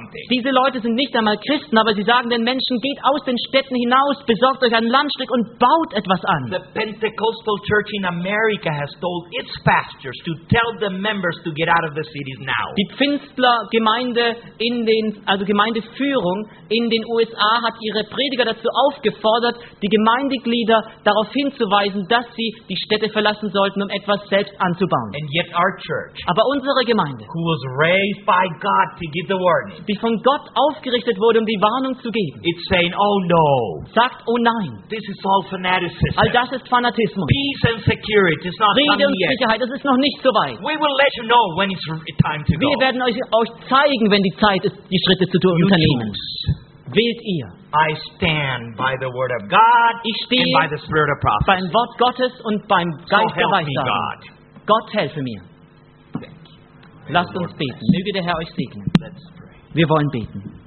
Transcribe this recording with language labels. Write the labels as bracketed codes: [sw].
[de] Diese Leute sind nicht einmal Christen, aber sie sagen den Menschen, geht aus den Städten hinaus, besorgt euch ein Landstück und baut etwas an. [en] The Pentecostal Church in America has told its pastors to tell the members to get out of the cities now. [de] Die Pfingstler-Gemeinde in den, also Gemeindeführung in den USA hat ihre Prediger dazu aufgefordert, die Gemeindeglieder darauf hinzuweisen, dass sie die Städte verlassen sollten, um etwas selbst anzubauen. [en] And yet our church, [de] aber unsere Gemeinde, [en] who was raised by God to give the warning, [de] die von Gott aufgerichtet wurde, um die Warnung zu geben, [en] it's saying, oh no, [de] sagt, oh nein, [en] this is all fanaticism. [de] All das ist Fanatismus. [en] Peace and security, it's not [de] Friede [en] come [de] und Sicherheit, [en] yet. [de] Es ist noch nicht so weit. [en] We will let you know when it's time to go. [de] Wir werden euch zeigen, wenn die Zeit ist, die Schritte zu unternehmen. Wählt ihr. [en] I stand by the word of God and by the spirit of prophecy. [de] Beim Wort Gottes und beim Geist der Weissagung. Gott helfe mir. Lasst uns beten. Möge der Herr euch segnen. Wir wollen beten.